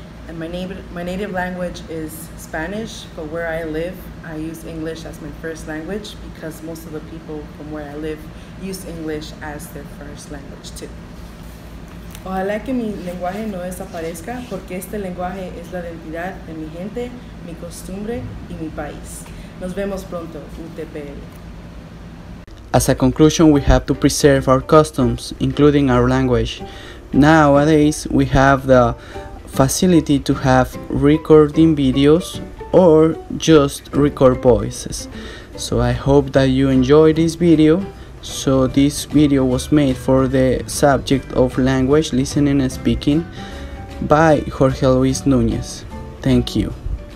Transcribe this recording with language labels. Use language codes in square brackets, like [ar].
[en] And my native language is Spanish, but where I live, I use English as my first language because most of the people from where I live use English as their first language too. [es] Ojalá que mi lenguaje no desaparezca porque este lenguaje es la identidad de mi gente, mi costumbre y mi país. Nos vemos pronto, UTPL. [en] As a conclusion, we have to preserve our customs, including our language. Nowadays, we have the facility to have recording videos or just record voices. So I hope that you enjoy this video. So this video was made for the subject of language, listening and speaking by Jorge Luis Nunez. Thank you.